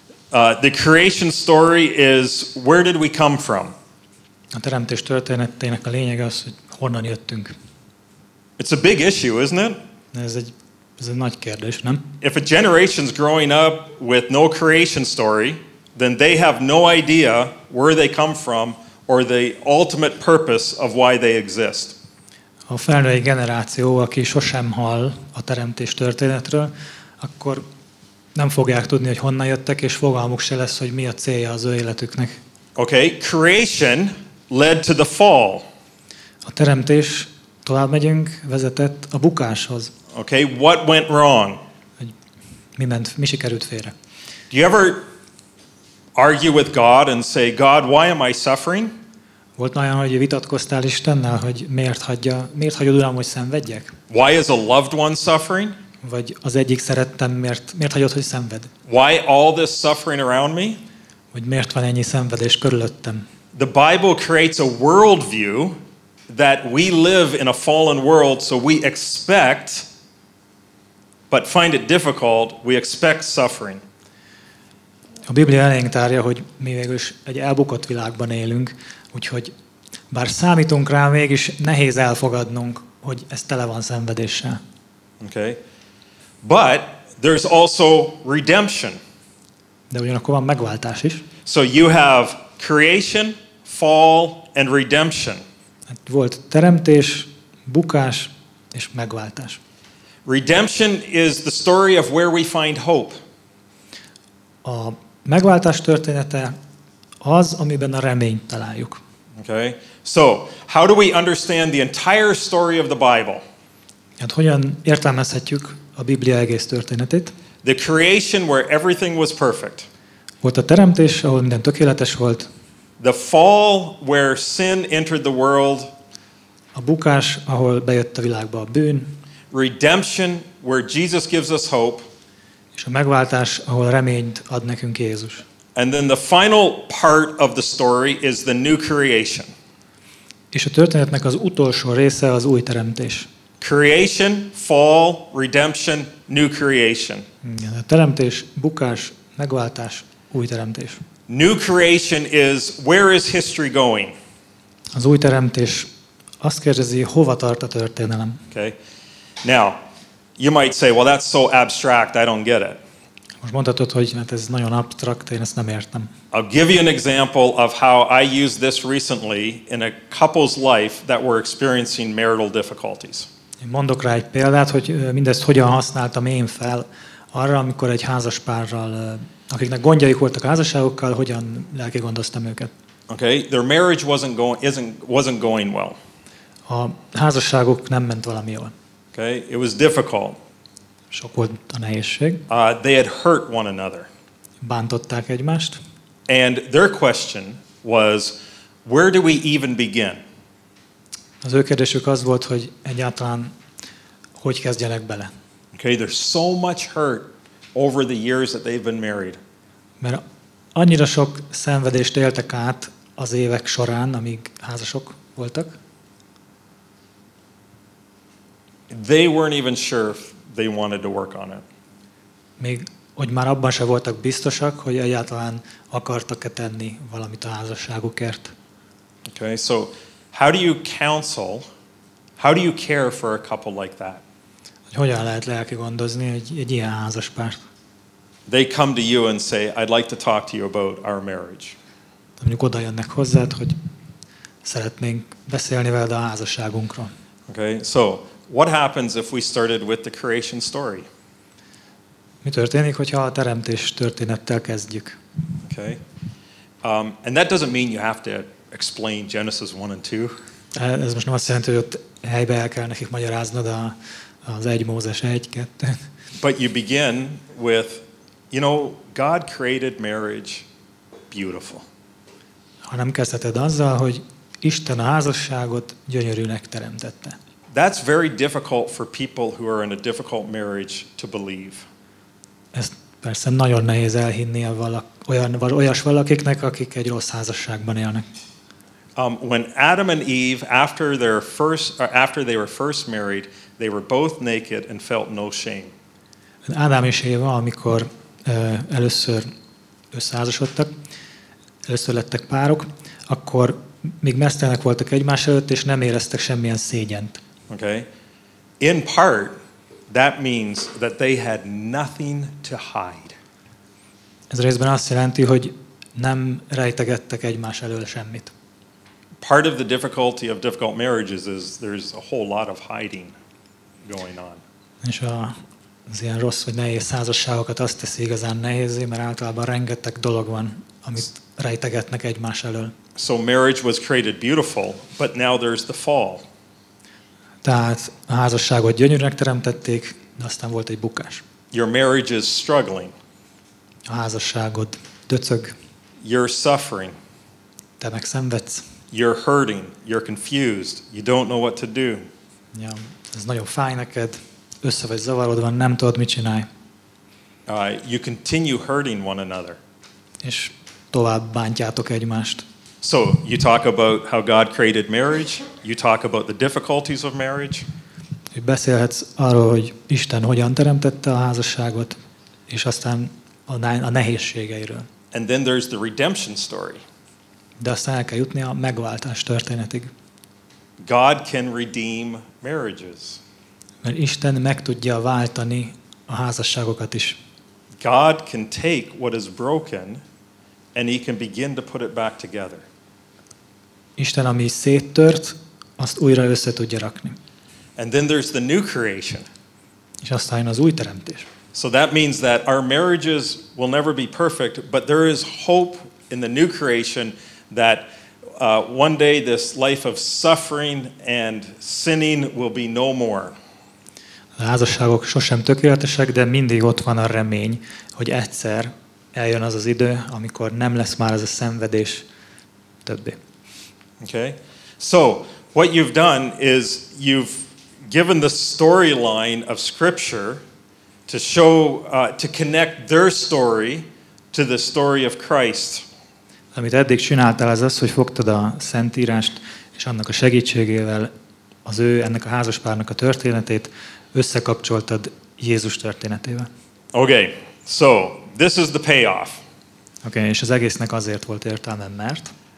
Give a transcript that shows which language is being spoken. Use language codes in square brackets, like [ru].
[en] The creation story is where did we come from? [hu] A teremtés történetének a lényege az, hogy honnan jöttünk. [en] It's a big issue, isn't it? [hu] Ez egy nagy kérdés, nem? [en] If a generation's growing up with no creation story, then they have no idea where they come from or the ultimate purpose of why they exist. [hu] Ha felnő egy generáció, aki sosem hall a teremtés történetről, akkor nem fogják tudni, hogy honnan jöttek, és fogalmuk se lesz, hogy mi a célja az ő életüknek. [en] Okay, creation led to the fall. [hu] A teremtés, tovább megyünk, vezetett a bukáshoz. [en] Okay, what went wrong? [hu] Mi sikerült félre? [en] Do you ever argue with God and say, God, why am I suffering? [hu] Volt olyan, hogy vitatkoztál Istennel, hogy miért hagyod Uram, hogy szenvedjek? [en] Why is a loved one suffering? [hu] Vagy az egyik szerettem, miért hagyod, hogy szenved? [en] Why all this suffering around me? [hu] Vagy miért van ennyi szenvedés körülöttem? [en] The Bible creates a worldview that we live in a fallen world, so we expect, but find it difficult, we expect suffering. [hu] A Biblia elénk tárja, hogy mi végül is egy elbukott világban élünk, úgyhogy Bár számítunk rá, mégis nehéz elfogadnunk, hogy ez tele van szenvedéssel. [en] Okay. But there's also redemption. [hu] De ugyanakkor van megváltás is. [en] So you have creation, fall and redemption. [hu] Volt teremtés, bukás és megváltás. [en] Redemption is the story of where we find hope. [hu] A megváltás története az, amiben a reményt találjuk. [en] Okay. So, how do we understand the entire story of the Bible? [hu] Hát hogyan értelmezhetjük a Biblia egész történetét? [en] The creation where everything was perfect. [hu] Volt a teremtés, ahol minden tökéletes volt. [en] The fall where sin entered the world. [hu] A bukás, ahol bejött a világba a bűn. [en] Redemption where Jesus gives us hope. [hu] És a megváltás, ahol reményt ad nekünk Jézus. [en] And then the final part of the story is the new creation. [hu] És a történetnek az utolsó része az új teremtés. [en] Creation, fall, redemption, new creation. [hu] Igen, a teremtés, bukás, megváltás, új teremtés. [en] New creation is where is history going? [hu] Az új teremtés azt kérdezi, hova tart a történelem? [en] Okay. Now, you might say, well, that's so abstract, I don't get it. [hu] Most mondhatod, hogy hát ez nagyon abstrakt, én ezt nem értem. [en] I'll give you an example of how I used this recently in a couple's life that were experiencing marital difficulties. [hu] Én mondok rá egy példát, hogy mindezt hogyan használtam én fel arra, amikor egy házaspárral, akiknek gondjaik voltak a házasságokkal, hogyan lelkigondoztam őket. [en] Okay, their marriage wasn't going well. [hu] A házasságuk nem ment valami jól. [en] Okay, it was difficult. [hu] Sok volt a nehézség. [en] They had hurt one another. [hu] Bántották egymást. [en] And their question was, where do we even begin? [hu] Az ő kérdésük az volt, hogy egyáltalán hogy kezdjenek bele. [en] Okay, there's so much hurt over the years that they've been married. [hu] Mert annyira sok szenvedést éltek át az évek során, amíg házasok voltak. [en] They weren't even sure if they wanted to work on it. [hu] Még hogy már abban se voltak biztosak, hogy egyáltalán akartak-e tenni valamit a házasságukért. [en] Okay, so how do you counsel? How do you care for a couple like that? [hu] Hogyan lehet lelkigondozni egy ilyen házaspárt? [en] They come to you and say, I'd like to talk to you about our marriage. [hu] Mondjuk oda jönnek hozzád, hogy szeretnénk beszélni veled a házasságunkról. [en] Okay, so what happens if we started with the creation story? [hu] Mi történik, hogyha a teremtés történettel kezdjük? [en] Okay. And that doesn't mean you have to explain Genesis 1 and 2. [hu] Ez most nem azt jelenti, hogy ott helybe el kell nekik magyaráznod az 1 Mózes 1-2. [en] But you begin with, you know, God created marriage beautiful. [hu] Hanem kezdheted azzal, hogy Isten a házasságot gyönyörűnek teremtette. [en] That's very difficult for people who are in a difficult marriage to believe. [hu] Ezt persze nagyon nehéz elhinni olyasvalakiknek, akik egy rossz házasságban élnek. [en] When Adam and Eve after they were first married, they were both naked and felt no shame. [hu] Adam és Éva, amikor először összeházasodtak, először lettek párok, akkor még mesztelenek voltak egymás előtt és nem éreztek semmilyen szégyent. [en] Okay. In part, that means that they had nothing to hide. [hu] Ez részben azt jelenti, hogy nem rejtegettek egymás elől semmit. [en] Part of the difficulty of difficult marriages is there's a whole lot of hiding going on. [hu] És az ilyen rossz vagy nehéz házasságokat azt teszi igazán nehézé, mert általában rengeteg dolog van, amit rejtegetnek egymás elől. [en] So marriage was created beautiful, but now there's the fall. [hu] Tehát a házasságot gyönyörűnek teremtették, de aztán volt egy bukás. [en] Your marriage is struggling. [hu] A házasságod döcög. [en] You're suffering. [hu] Te megszenvedsz. [en] You're hurting. You're confused. You don't know what to do. [hu] Ja, ez nagyon fáj neked. Össze vagy zavarodva, nem tudod, mit csinálj. [en] You continue hurting one another. [hu] És tovább bántjátok egymást. [en] So you talk about how God created marriage, you talk about the difficulties of marriage. [hu] Beszélhetsz arról, hogy Isten hogyan teremtette a házasságot, és aztán a nehézségeiről. [en] And then there's the redemption story. [hu] de aztán el kell jutni a megváltás történetig. [en] God can redeem marriages. [hu] Mert Isten meg tudja váltani a házasságokat is. [en] God can take what is broken and he can begin to put it back together. [hu] Isten, ami széttört, azt újra össze tudja rakni. [en] And then there's the new creation. [hu] És aztán az új teremtés. [en] So that means that our marriages will never be perfect, but there is hope in the new creation that one day this life of suffering and sinning will be no more. [hu] A házasságok sosem tökéletesek, de mindig ott van a remény, hogy egyszer eljön az az idő, amikor nem lesz már ez a szenvedés többé. [en] Okay. So, what you've done is you've given the storyline of scripture to show to connect their story to the story of Christ. [hu] Amit eddig csináltál, az az, hogy fogtad a Szentírást, és annak a segítségével az ő, ennek a házaspárnak a történetét összekapcsoltad Jézus történetével. [en] Okay, so this is the payoff. [hu] Okay, és az egésznek azért volt értelme, mert...